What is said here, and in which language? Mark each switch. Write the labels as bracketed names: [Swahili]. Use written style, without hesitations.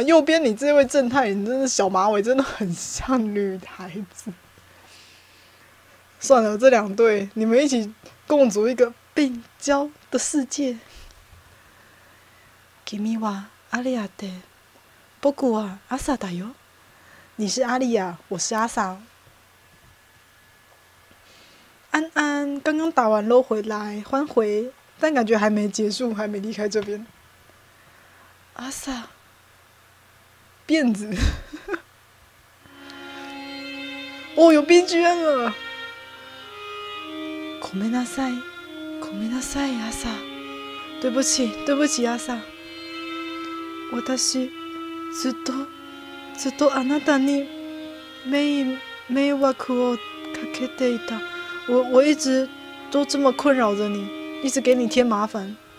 [Chinese] 右边你这位正太，你真是小马尾，真的很像女孩子。算了，这两对，你们一起共组一个。病娇的世界。 [Japanese] 君はアリアで、僕はアサだよ。 [Chinese] 你是阿丽亚，我是阿萨。安安刚刚打完撸回来，欢回，但感觉还没结束，还没离开这边。阿萨，辫子。哦，有 BGM 了。 [Japanese] ごめんなさい。ごめんなさい、アサ。 [Chinese] 对不起，对不起，アサ。 [Japanese] 私、ずっとあなたに迷惑をかけていた。 [Chinese] 我一直都这么困扰着你，一直给你添麻烦。